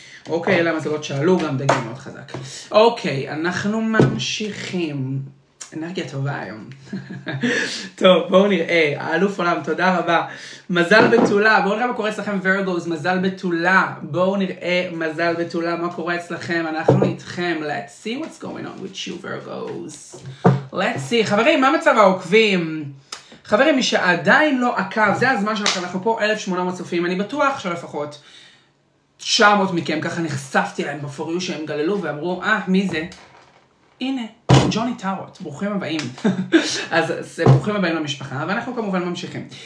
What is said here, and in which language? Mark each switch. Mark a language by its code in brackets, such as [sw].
[he] אוקיי, אלה המזלות שאלו, גם דגים מאוד חזק. אוקיי, אנחנו ממשיכים. אנרגיה טובה היום. טוב, בואו נראה, האלוף עולם, תודה רבה. מזל בתולה, בואו נראה מה קורה אצלכם, וירגוז, מזל בתולה. בואו נראה מזל בתולה, מה קורה אצלכם, אנחנו איתכם. [en] Let's see what's going on with you, וירגוז. Let's see, [he] חברים, מה מצב העוקבים? חברים, מי שעדיין לא עקב, זה הזמן שלכם, אנחנו פה 1,800 צופים, אני בטוח שלפחות 900 מכם, ככה נחשפתי להם בפוריו שהם גללו ואמרו, מי זה? הנה, ג'וני טארוט, ברוכים הבאים. אז ברוכים הבאים למשפחה, ואנחנו כמובן ממשיכים.